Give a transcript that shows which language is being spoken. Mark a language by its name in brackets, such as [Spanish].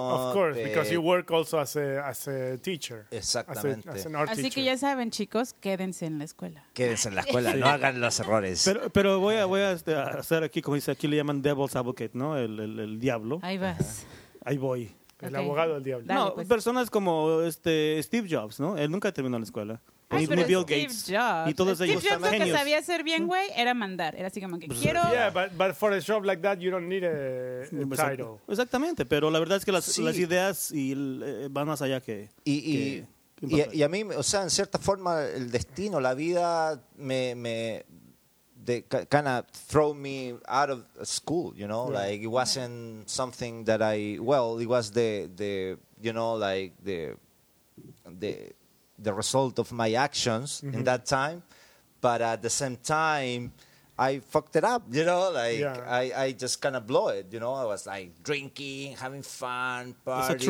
[English] Of course, because you work also as a teacher. [Spanish] Exactamente. [English] As an art [Spanish] Así [English] teacher. [Spanish] Que ya saben, chicos, quédense en la escuela. Quédense en la escuela, no hagan los errores. Pero voy a hacer aquí, como dice aquí, le llaman Devil's Advocate, ¿no? El diablo. Ahí vas. Ahí voy. El abogado del diablo. No, pues. Personas como Steve Jobs, ¿no? Él nunca terminó la escuela. Ni Bill Gates. Jobs. Y todos ellos Steve Jobs lo que sabía hacer bien, güey, era mandar. Era así como que quiero... [English] Yeah, but for a job like that, you don't need a title. [Spanish] Exactamente, pero la verdad es que las ideas van más allá que... [English] Y a mí, o sea, en cierta forma, el destino, la vida me kind of throw me out of school, you know, like it wasn't something that I, well, it was the you know, like the result of my actions in that time, but at the same time, I fucked it up, you know, like I just kind of blew it, you know, I was like drinking, having fun, parties.